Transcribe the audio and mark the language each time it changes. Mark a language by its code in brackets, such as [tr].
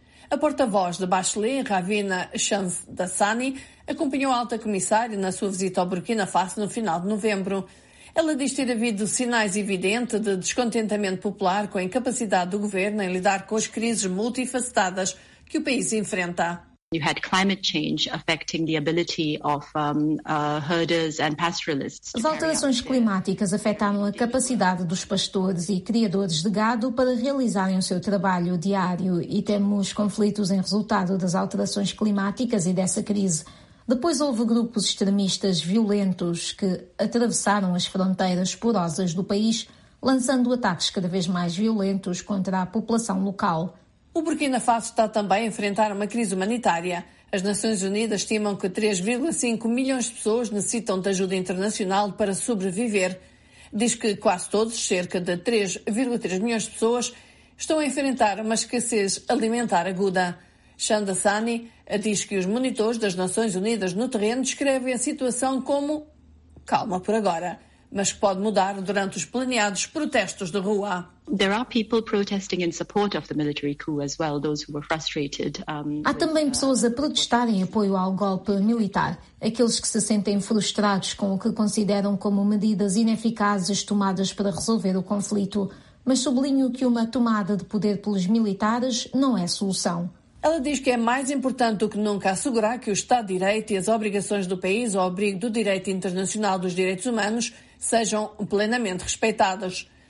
[pt] A porta-voz de Bachelet, Ravina Chandasani, acompanhou a alta comissária na sua visita ao Burkina Faso no final de novembro. Ela diz ter havido sinais evidentes de descontentamento popular com a incapacidade do governo em lidar com as crises multifacetadas que o país enfrenta. [en] You had climate change affecting the ability of herders and pastoralists. [pt] As alterações climáticas afetaram a capacidade dos pastores e criadores de gado para realizarem o seu trabalho diário e temos conflitos em resultado das alterações climáticas e dessa crise. Depois houve grupos extremistas violentos que atravessaram as fronteiras porosas do país, lançando ataques cada vez mais violentos contra a população local. O Burkina Faso está também a enfrentar uma crise humanitária. As Nações Unidas estimam que 3,5 milhões de pessoas necessitam de ajuda internacional para sobreviver. Diz que quase todos, cerca de 3,3 milhões de pessoas, estão a enfrentar uma escassez alimentar aguda. Chandasani diz que os monitores das Nações Unidas no terreno descrevem a situação como calma por agora, mas pode mudar durante os planeados protestos de rua. [en] There are people protesting in support of the military coup as well, those who were frustrated. [pt] Há também pessoas a protestar em apoio ao golpe militar, aqueles que se sentem frustrados com o que consideram como medidas ineficazes tomadas para resolver o conflito. Mas sublinho que uma tomada de poder pelos militares não é solução. Ela diz que é mais importante do que nunca assegurar que o Estado de Direito e as obrigações do país ao abrigo do Direito Internacional dos Direitos Humanos sejam plenamente respeitadas.